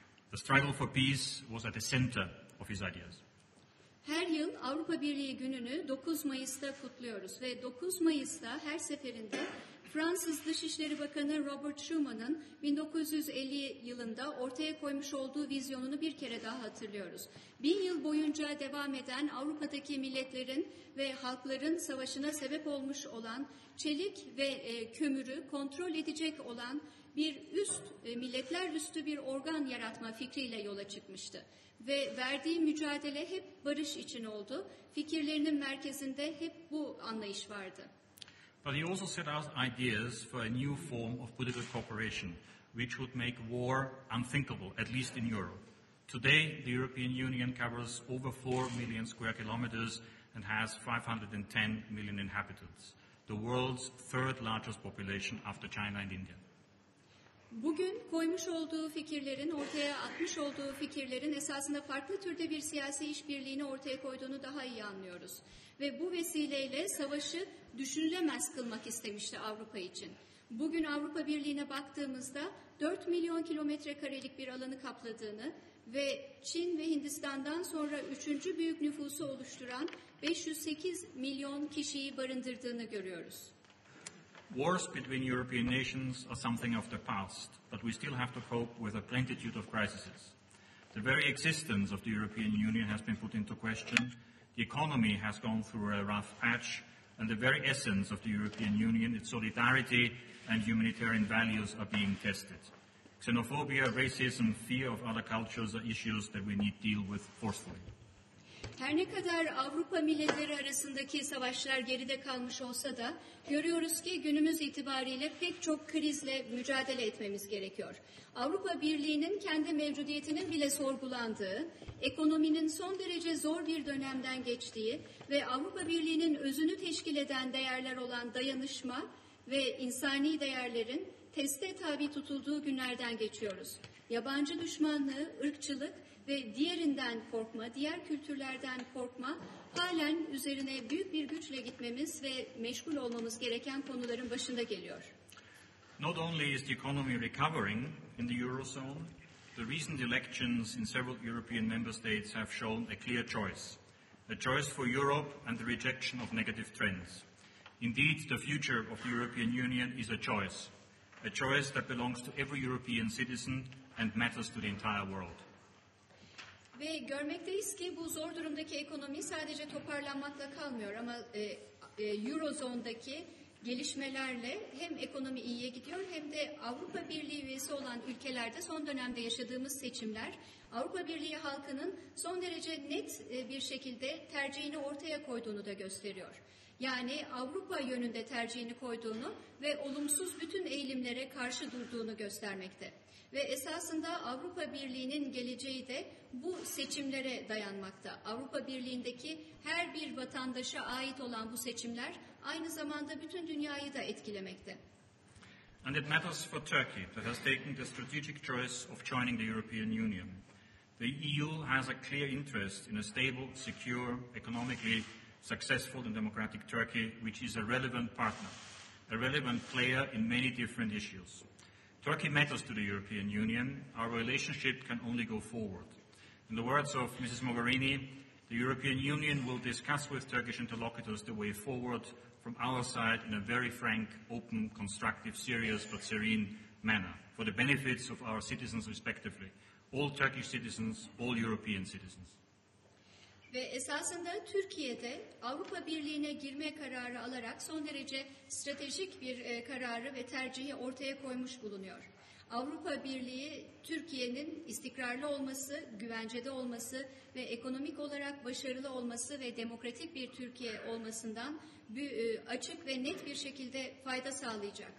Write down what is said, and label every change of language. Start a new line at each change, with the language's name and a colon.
English: The struggle for peace was at the center of his ideas.
Turkish: Her yıl Avrupa Birliği gününü 9 Mayıs'ta kutluyoruz ve 9 Mayıs'ta her seferinde Fransız Dışişleri Bakanı Robert Schuman'ın 1950 yılında ortaya koymuş olduğu vizyonunu bir kere daha hatırlıyoruz. Bin yıl boyunca devam eden Avrupa'daki milletlerin ve halkların savaşına sebep olmuş olan çelik ve kömürü kontrol edecek olan bir üst, milletler üstü bir organ yaratma fikriyle yola çıkmıştı. Ve verdiği mücadele hep barış için oldu. Fikirlerinin merkezinde hep bu anlayış vardı.
English: But he also set out ideas for a new form of political cooperation, which would make war unthinkable, at least in Europe. Today, the European Union covers over 4 million square kilometers and has 510 million inhabitants, the world's third largest population after China and India.
Turkish: Bugün koymuş olduğu fikirlerin, ortaya atmış olduğu fikirlerin esasında farklı türde bir siyasi işbirliğini ortaya koyduğunu daha iyi anlıyoruz. Ve bu vesileyle savaşı düşünülemez kılmak istemişti Avrupa için. Bugün Avrupa Birliği'ne baktığımızda 4 milyon kilometre karelik bir alanı kapladığını ve Çin ve Hindistan'dan sonra 3. büyük nüfusu oluşturan 508 milyon kişiyi barındırdığını görüyoruz.
English: Wars between European nations are something of the past, but we still have to cope with a plentitude of crises. The very existence of the European Union has been put into question, the economy has gone through a rough patch, and the very essence of the European Union, its solidarity and humanitarian values, are being tested. Xenophobia, racism, fear of other cultures are issues that we need to deal with forcefully.
Turkish: Her ne kadar Avrupa milletleri arasındaki savaşlar geride kalmış olsa da görüyoruz ki günümüz itibariyle pek çok krizle mücadele etmemiz gerekiyor. Avrupa Birliği'nin kendi mevcudiyetinin bile sorgulandığı, ekonominin son derece zor bir dönemden geçtiği ve Avrupa Birliği'nin özünü teşkil eden değerler olan dayanışma ve insani değerlerin teste tabi tutulduğu günlerden geçiyoruz. Yabancı düşmanlığı, ırkçılık ve diğerinden korkma, diğer kültürlerden korkma halen üzerine büyük bir güçle gitmemiz ve meşgul olmamız gereken konuların başında geliyor.
English: Not only is the economy recovering in the Eurozone, the recent elections in several European member states have shown a clear choice. A choice for Europe and the rejection of negative trends. Indeed, the future of the European Union is a choice. A choice that belongs to every European citizen and matters to the entire world.
Turkish: Ve görmekteyiz ki bu zor durumdaki ekonomi sadece toparlanmakla kalmıyor ama Eurozone'daki gelişmelerle hem ekonomi iyiye gidiyor hem de Avrupa Birliği üyesi olan ülkelerde son dönemde yaşadığımız seçimler Avrupa Birliği halkının son derece net bir şekilde tercihini ortaya koyduğunu da gösteriyor. Yani Avrupa yönünde tercihini koyduğunu ve olumsuz bütün eğilimlere karşı durduğunu göstermekte. Ve esasında Avrupa Birliği'nin geleceği de bu seçimlere dayanmakta. Avrupa Birliği'ndeki her bir vatandaşa ait olan bu seçimler aynı zamanda bütün dünyayı da etkilemekte.
English: And it matters for Turkey that has taken the strategic choice of joining the European Union. The EU has a clear interest in a stable, secure, economically successful and democratic Turkey, which is a relevant partner, a relevant player in many different issues. Turkey matters to the European Union. Our relationship can only go forward. In the words of Mrs. Mogherini, the European Union will discuss with Turkish interlocutors the way forward from our side in a very frank, open, constructive, serious but serene manner for the benefits of our citizens respectively, all Turkish citizens, all European citizens.
Turkish: Ve esasında Türkiye'de Avrupa Birliği'ne girme kararı alarak son derece stratejik bir kararı ve tercihi ortaya koymuş bulunuyor. Avrupa Birliği, Türkiye'nin istikrarlı olması, güvencede olması ve ekonomik olarak başarılı olması ve demokratik bir Türkiye olmasından açık ve net bir şekilde fayda sağlayacak.